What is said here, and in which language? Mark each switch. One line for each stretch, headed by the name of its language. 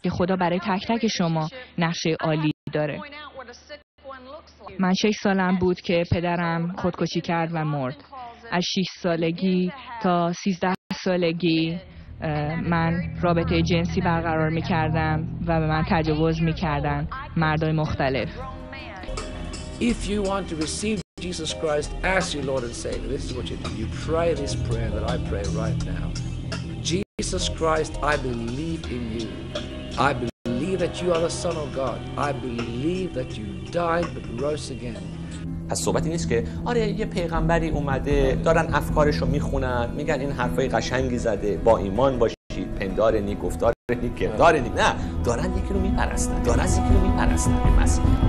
Persian: که خدا برای تک تک شما نقشه عالی داره. من 6 سالم بود که پدرم خودکشی کرد و مرد. از 6 سالگی تا 13 سالگی من رابطه جنسی برقرار میکردم و به من تجاوز میکردن مردای مختلف.
English: If you want to receive Jesus Christ as your Lord and Savior, this is what you do. You pray this prayer that I pray right now. Jesus Christ, I believe in you. I believe that you are the Son of God. I believe that you died but rose again.
Persian: پس صحبتی نیست که آره یه پیغمبری اومده دارن افکارش رو میخونن میگن این حرفای قشنگی زده، با ایمان باشی، پندار نیک، گفتار نیک، کردار نیک، نه، دارن یکی رو میپرستن، دارن یکی رو میپرستن به مسیح.